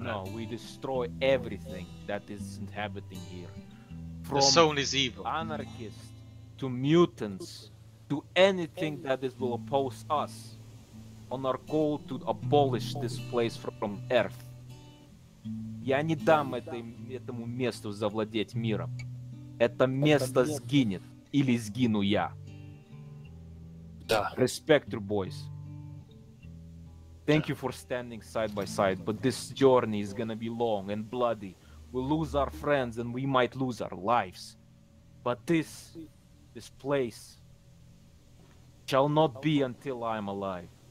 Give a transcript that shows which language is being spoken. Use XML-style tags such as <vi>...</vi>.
<en>no, right. We destroy everything that is inhabiting here. From the zone is evil. Anarchists to mutants to anything that is will oppose us on our goal to abolish this place from Earth.</en> <ru>Я не дам этому месту завладеть миром. Это место сгинет, или сгину я. Да.</ru> <en>Respect your boys. Thank you for standing side by side, but this journey is gonna be long and bloody. We'll lose our friends and we might lose our lives. But this place shall not be until I am alive.</en>